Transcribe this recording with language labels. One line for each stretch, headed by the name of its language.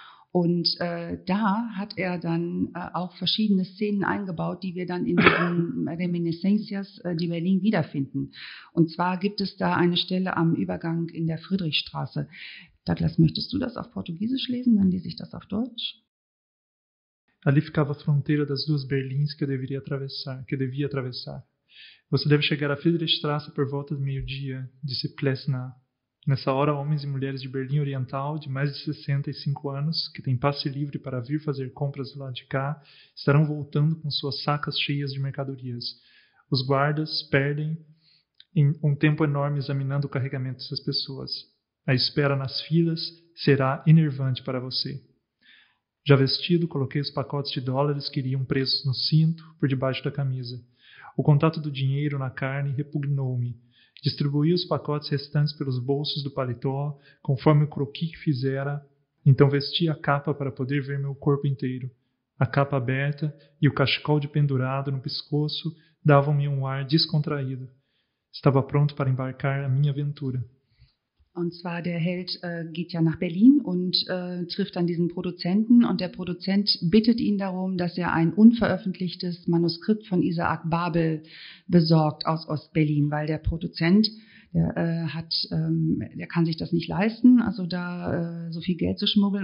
German: Und da hat er dann auch verschiedene Szenen eingebaut, die wir dann in den Reminiscencias die Berlin wiederfinden. Und zwar gibt es da eine Stelle am Übergang in der Friedrichstraße. Douglas, möchtest du das auf Portugiesisch lesen? Dann lese ich das auf Deutsch.
Portuguese: Ali ficava a fronteira das duas Berlins que devia atravessar. Você deve chegar à Friedrichstraße por volta do meio-dia, disse Plessner. Nessa hora, homens e mulheres de Berlim Oriental, de mais de 65 anos, que têm passe livre para vir fazer compras do lado de cá, estarão voltando com suas sacas cheias de mercadorias. Os guardas perdem um tempo enorme examinando o carregamento dessas pessoas. A espera nas filas será enervante para você. Já vestido, coloquei os pacotes de dólares que iriam presos no cinto, por debaixo da camisa. O contato do dinheiro na carne repugnou-me. Distribuí os pacotes restantes pelos bolsos do paletó, conforme o croqui que fizera, então vesti a capa para poder ver meu corpo inteiro. A capa aberta e o cachecol de pendurado no pescoço davam-me um ar descontraído. Estava pronto para embarcar a minha aventura.
German: Und zwar der Held geht ja nach Berlin und trifft dann diesen Produzenten. Und der Produzent bittet ihn darum, dass er ein unveröffentlichtes Manuskript von Isaac Babel besorgt aus Ost-Berlin, weil der Produzent, der kann sich das nicht leisten, also da so viel Geld zu schmuggeln.